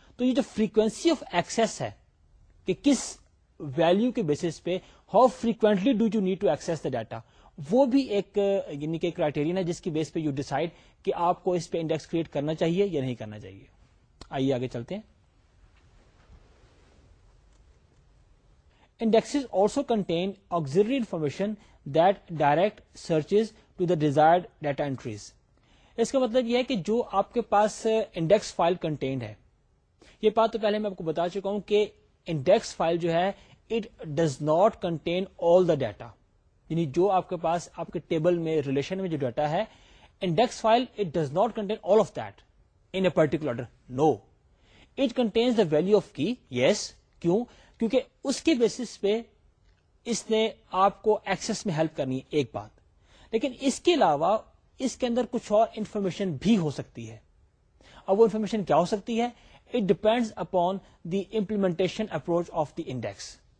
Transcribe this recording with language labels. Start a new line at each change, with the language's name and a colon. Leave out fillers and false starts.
Urdu: تو یہ جو فریکوینسی آف ایکسس ہے کہ کس ویلیو کے بیسس پہ
English: how frequently do you need to access the data,
Urdu: وہ بھی ایک یعنی کہ کرائٹیرین ہے جس کی بیس پہ
English: you decide
Urdu: کہ آپ کو اس پہ انڈیکس کریٹ کرنا چاہیے یا نہیں کرنا چاہیے. آئیے آگے چلتے ہیں.
English: Indexes also contain auxiliary information that direct searches to the desired data entries.
Urdu: اس کا مطلب یہ ہے کہ جو آپ کے پاس انڈیکس فائل کنٹینڈ ہے, یہ بات تو پہلے میں آپ کو بتا چکا ہوں کہ انڈیکس فائل جو ہے
English: it does not contain all the data,
Urdu: یعنی جو آپ کے پاس آپ کے ٹیبل میں ریلیشن میں جو ڈیٹا ہے index file
English: It does not contain all of that in a particular order. No, it contains the value of key, yes.
Urdu: کیوں؟ کیونکہ اس کے بیسس پہ اس نے آپ کو ایکسس میں ہیلپ کرنی ہے, ایک بات. لیکن اس کے علاوہ اس کے اندر کچھ اور انفارمیشن بھی ہو سکتی ہے. اب وہ انفارمیشن کیا ہو سکتی ہے,
English: It depends upon the implementation approach of the index.